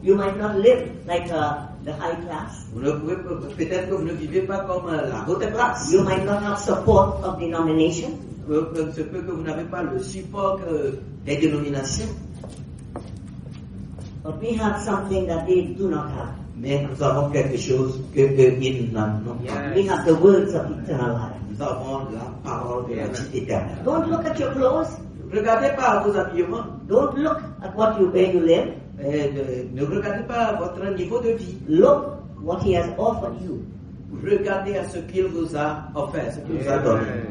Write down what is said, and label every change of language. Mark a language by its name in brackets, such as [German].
[English] You might not live like the high class. [French] Vous ne pouvez peut-être que vous ne vivez pas comme la haute classe. [English] You might not have support of denomination. [French] Se peut que vous n'avez pas le support des dénominations. [English] But we have something that they do not have. [French] Mais nous avons quelque chose que ils n'en ont pas. [English] We have the words of eternal life. [French] Nous avons la parole de la vie éternelle. [English] Don't look at your clothes. [French] Regardez pas à vos habillements. [English] Don't look at what you where you live. [French] Ne regardez pas à votre niveau de vie. [English] Look what he has offered you. [French] Regardez à ce qu'il vous a offert, ce qu'il vous a donné.